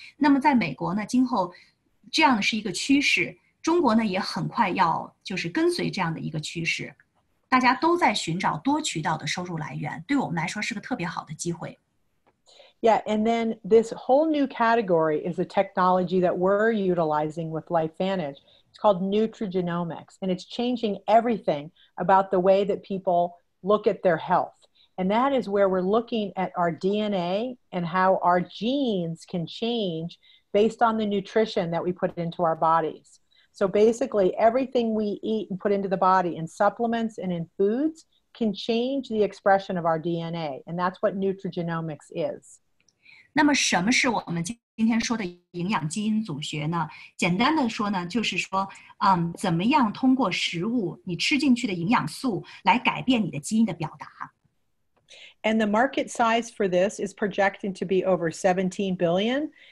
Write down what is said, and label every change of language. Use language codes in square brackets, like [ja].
[zh] 那么在美国呢，今后这样的是一个趋势，中国呢也很快要就是跟随这样的一个趋势。大家都在寻找多渠道的收入来源，对我们来说是个特别好的机会。 [en] Yeah, and then this whole new category is a technology that we're utilizing with Lifevantage. It's called nutrigenomics, and it's changing everything about the way that people look at their health. And that is where we're looking at our DNA and how our genes can change based on the nutrition that we put into our bodies. So basically, everything we eat and put into the body in supplements and in foods can change the expression of our DNA. And that's what nutrigenomics is. [zh] 那么什么是我们今天说的营养基因组学呢？简单的说呢，就是说，怎么样通过食物，你吃进去的营养素来改变你的基因的表达。 [en] And the market size for this is projected to be over $17 billion.